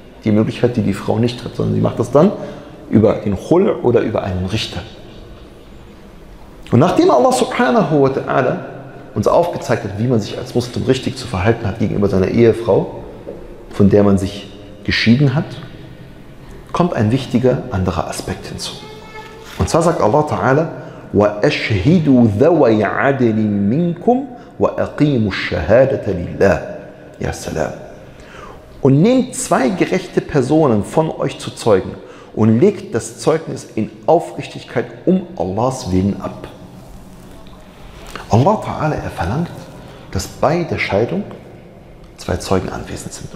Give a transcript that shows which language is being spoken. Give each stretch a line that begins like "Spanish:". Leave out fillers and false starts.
German: Die Möglichkeit, die Frau nicht hat, sondern sie macht das dann über den Khul oder über einen Richter. Und nachdem Allah subhanahu wa ta'ala uns aufgezeigt hat, wie man sich als Muslim richtig zu verhalten hat gegenüber seiner Ehefrau, von der man sich geschieden hat, kommt ein wichtiger anderer Aspekt hinzu. Und zwar sagt Allah ta'ala,
Arabic: وَأَشْهِدُوا ذَوَيْ عَدْلٍ مِّنْكُمْ وَأَقِيمُوا الشَّهَادَةَ لِلَّهِ.
German: Ja, Salam. Und nehmt zwei gerechte Personen von euch zu Zeugen und legt das Zeugnis in Aufrichtigkeit um Allahs Willen ab. Allah Ta'ala, er verlangt, dass bei der Scheidung zwei Zeugen anwesend sind.